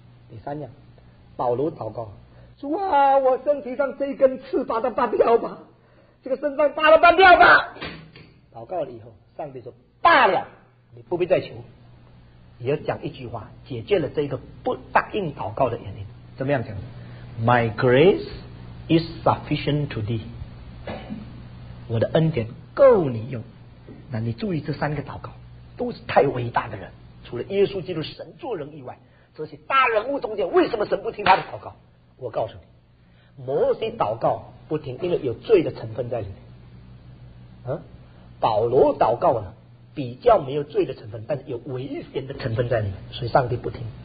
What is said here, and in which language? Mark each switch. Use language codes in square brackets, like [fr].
[zh] 第三样，保罗祷告，主啊，我身体上这一根刺把它拔掉吧，这个身上拔了半掉吧。祷告了以后，上帝说罢了，你不必再求。也讲一句话解决了这个不答应祷告的原因。怎么样讲？ [en] My grace is sufficient to thee， [zh] 我的恩典够你用。那你注意，这三个祷告都是太伟大的人，除了耶稣基督神做人以外，这些大人物中间为什么神不听他的祷告？我告诉你，摩西祷告不听，因为有罪的成分在里面。保罗祷告呢比较没有罪的成分，但是有危险的成分在里面，所以上帝不听。